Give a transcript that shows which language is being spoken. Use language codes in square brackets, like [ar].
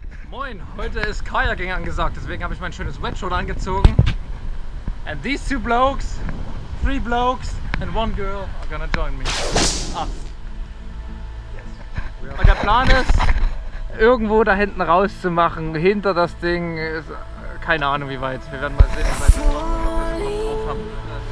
[de] Moin, heute ist Kajaking angesagt, deswegen habe ich mein schönes Wetshirt angezogen. [en] And these two blokes, three blokes and one girl are gonna join me. Us. Yes. [de] Und der Plan ist, irgendwo da hinten rauszumachen, hinter das Ding, ist, keine Ahnung wie weit. Wir werden mal sehen, wie weit wir drauf haben.